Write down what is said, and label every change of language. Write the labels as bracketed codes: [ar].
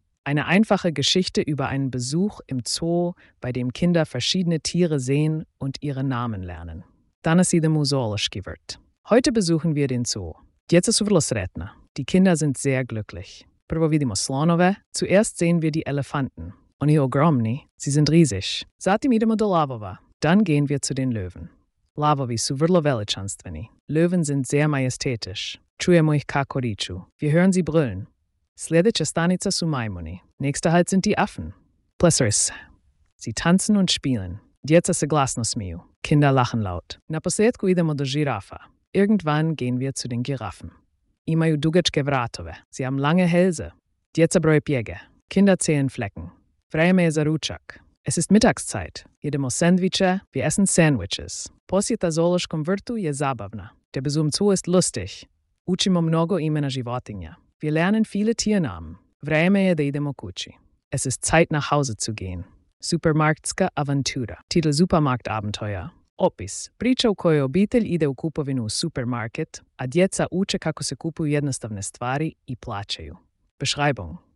[de] Eine einfache Geschichte über einen Besuch im Zoo, bei dem Kinder verschiedene Tiere sehen und ihre Namen lernen. [hr] Danas idemo u zoološki vrt. [de] Heute besuchen wir den Zoo. [hr] Djeca su vrlo sretna. [de] Die Kinder sind sehr glücklich. [hr] Prvo vidimo slonove. [de] Zuerst sehen wir die Elefanten. [hr] Oni ogromni. [de] Sie sind riesig. [hr] Zatim idemo do lavova. [de] Dann gehen wir zu den Löwen. [hr] Lavovi su vrlo veličanstveni. [de] Löwen sind sehr majestätisch. [hr] Čujemo ih kako riču. [de] Wir hören sie brüllen. [hr] Sljedeća stanica su majmuni. [de] Nächster Halt sind die Affen. Plesseris. Sie tanzen und spielen. [hr] Djeca se glasno smiju. [de] Kinder lachen laut. [hr] Na posljedku idemo do žirafa. [de] Irgendwann gehen wir zu den Giraffen. [hr] Imaju dugačke vratove. [de] Sie haben lange Hälse. [hr] Djeca broje pjege. [de] Kinder zählen Flecken. [hr] Vreme je za ručak. [de] Es ist Mittagszeit. [hr] Jedemo sandviče. [de] Wir essen Sandwiches. [hr] Posjeta zoološkom vrtu je zabavna. [de] Der Besuch im Zoo ist lustig. [hr] Učimo mnogo imena životinja. [de] Wir lernen viele Tiernamen. [hr] Vreme je da idemo kući. [de] Es ist Zeit, nach Hause zu gehen. [hr] Supermarktska avantura. [de] Titel Supermarktabenteuer. [hr] Opis. Priča u kojoj obitelj ide u kupovinu u supermarket, a djeca uče kako se kupuju jednostavne stvari i plaćaju. Beschreibung.